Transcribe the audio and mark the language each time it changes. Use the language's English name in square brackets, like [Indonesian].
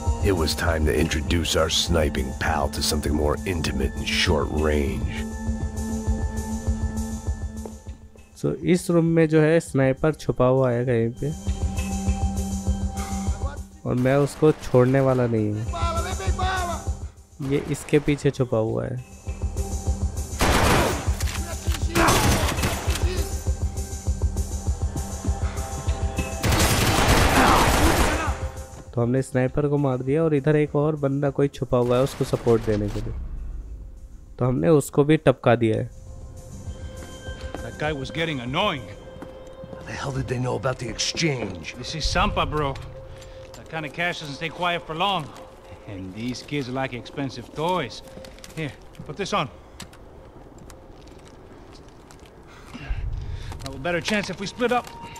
[English] It was time to introduce our sniping pal to something more intimate and short range. [Hindi] So, इस room में जो है sniper छुपा हुआ है कहीं पे और मैं उसको छोड़ने वाला नहीं हूँ. ये इसके पीछे छुपा हुआ है. तो हमने स्नाइपर को मार दिया और इधर एक और बंदा कोई छुपा हुआ है उसको सपोर्ट देने के लिए, तो हमने उसको भी टपका दिया है. [English] That guy was getting annoying. How the hell did they know about the exchange? This is Sampa, bro. That kind of cash doesn't stay quiet for long. And these kids like expensive toys. Here, put this on. Now a better chance if we split up.